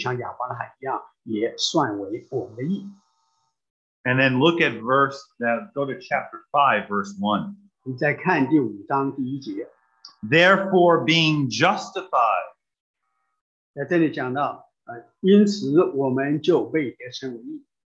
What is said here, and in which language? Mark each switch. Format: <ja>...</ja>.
<zh>所以这里想到，如果我们也信那位耶稣基督从死里复活的那一位神，那么我们这个信也像亚伯拉罕一样，也算为我们的义。</zh> <en>And then look at verse, go to chapter 5, verse 1.</en> <zh>你再看第五章第一节。</zh> <en>Therefore, being justified.</en> <zh>在这里讲到，因此我们就被称义。</zh>